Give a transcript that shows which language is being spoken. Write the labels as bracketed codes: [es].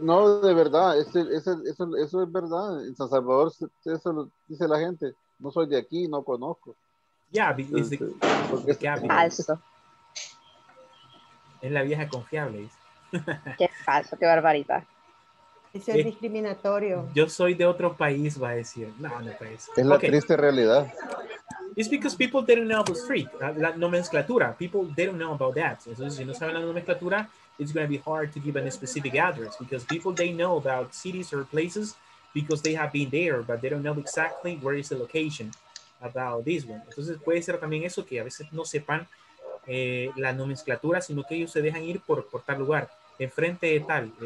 [es] No, de verdad. Eso es verdad. En San Salvador, eso lo dice la gente. No soy de aquí, no conozco. [en] Yeah, because it's [es] es la vieja confiable. Qué falso, qué barbaridad. Eso es discriminatorio. Yo soy de otro país, va a decir. No país. Es la triste realidad. [en] It's because people didn't know the street. [es] La nomenclatura. [en] People didn't know about that. [es] Entonces, si no saben la nomenclatura, [en] it's going to be hard to give a specific address, because people, they know about cities or places because they have been there, but they don't know exactly where is the location about this one. [es] Entonces puede ser también eso, que a veces no sepan la nomenclatura, sino que ellos se dejan ir por tal lugar, enfrente de tal.